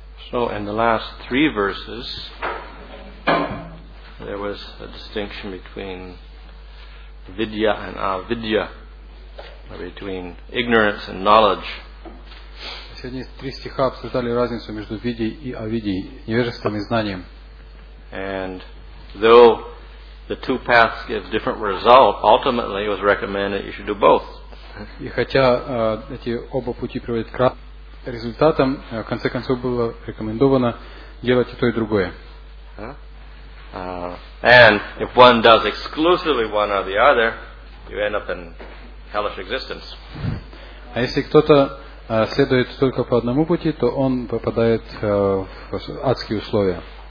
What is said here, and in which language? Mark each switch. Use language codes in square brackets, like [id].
[en] So in the last three verses, there was a distinction between vidya and avidya, between ignorance and knowledge. [ru] Сегодня три стиха обсуждали разницу между видьей и авидьей, невежеством и знанием. [en] And though the two paths give different result, ultimately it was recommended you should do both. [ru] И хотя эти оба пути приводят к результатом, в конце концов, было рекомендовано делать и то, и другое. [en] And if one does exclusively one or the other, you end up in hellish existence. [ru] А если кто-то следует только по одному пути, то он попадает в адские условия.